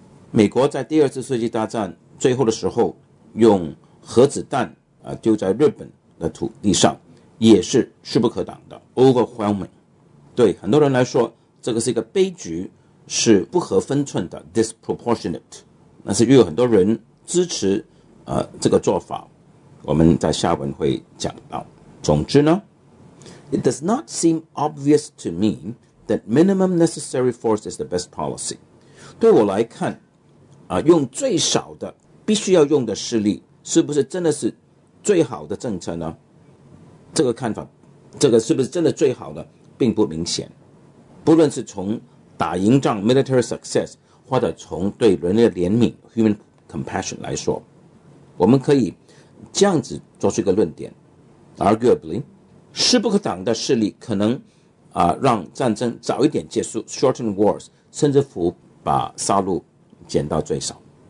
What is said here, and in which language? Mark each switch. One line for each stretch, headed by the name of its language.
Chinese: 美国在第二次世界大战最后的时候用核子弹丢在日本的土地上，也是势不可挡的 overwhelming。对很多人来说，这个是一个悲剧，是不合分寸的 disproportionate， 但是又有很多人支持这个做法，我们在下文会讲到。总之呢，
English: It does not seem obvious to me that minimum necessary force is the best policy。
Chinese: 对我来看用最少的必须要用的势力是不是真的是最好的政策呢？这个看法，这个是不是真的最好的并不明显。不论是从打赢仗
English: military success，
Chinese: 或者从对人类的怜悯
English: human compassion
Chinese: 来说，我们可以这样子做出一个论点： arguably 势不可挡的势力可能让战争早一点结束，
English: shorten wars，
Chinese: 甚至乎把杀戮减到最少。